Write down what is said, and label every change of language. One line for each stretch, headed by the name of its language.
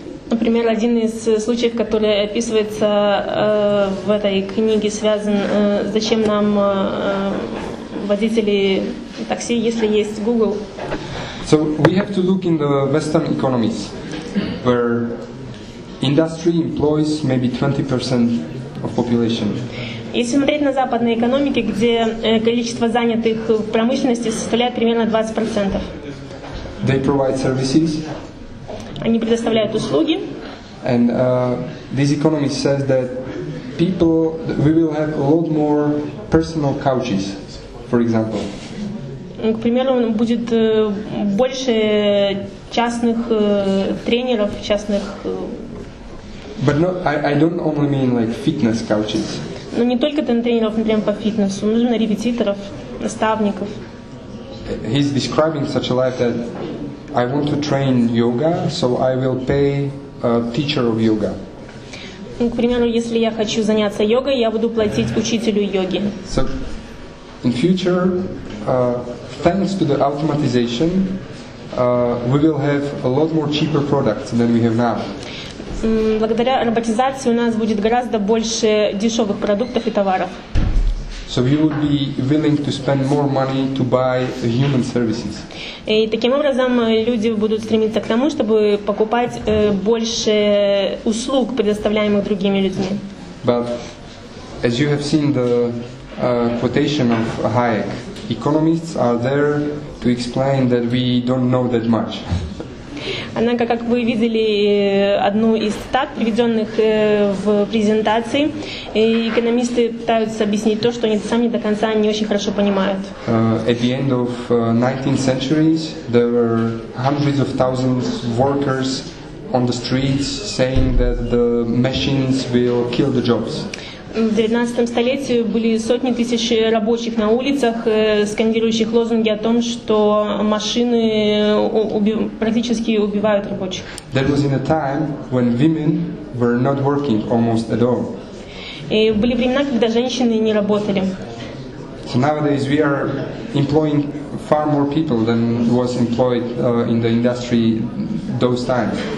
Russian: Например, один из случаев, который описывается в этой книге, связан с зачем нам водители такси, если есть Google.
English: So we have to look in the Western economies, where industry employs maybe 20% of population.
Russian: Если смотреть на западные экономики, где количество занятых в промышленности составляет примерно 20%.
English: They provide services.
Russian: Они предоставляют услуги.
English: And this economist says that people, we will have a lot more personal couches, for example.
Russian: К примеру, будет больше частных тренеров, частных...
English: But no, I don't only mean like fitness couches.
Russian: Но не только тренеров, например, по фитнесу, нужно репетиторов, наставников.
English: He's describing such a life that I want to train yoga, so I will pay a teacher of yoga.
Russian: Ну, к примеру, если я хочу заняться йогой, я буду платить учителю йоги.
English: So, in future, thanks to the automatization, we will have a lot more cheaper products than we have now.
Russian: Благодаря роботизации у нас будет гораздо больше дешевых продуктов и товаров.
English: So you would be willing to spend more money to buy human services.
Russian: И таким образом люди будут стремиться к тому, чтобы покупать больше услуг, предоставляемых другими людьми.
English: But as you have seen the quotation of Hayek, economists are there to explain that we don't know that much.
Russian: Однако, как вы видели одну из цитат, приведенных в презентации, экономисты пытаются объяснить то, что они сами до конца не очень хорошо понимают.
English: At the end of 19th centuries, there were hundreds of thousands of workers on the streets saying that the machines will kill the jobs.
Russian: В 19 столетии были сотни тысяч рабочих на улицах, скандирующих лозунги о том, что машины практически убивают рабочих.
English: That was in a time when women were not working almost at all.
Russian: И были времена, когда женщины не работали.
English: So nowadays we are employing far more people than was employed in the industry those times.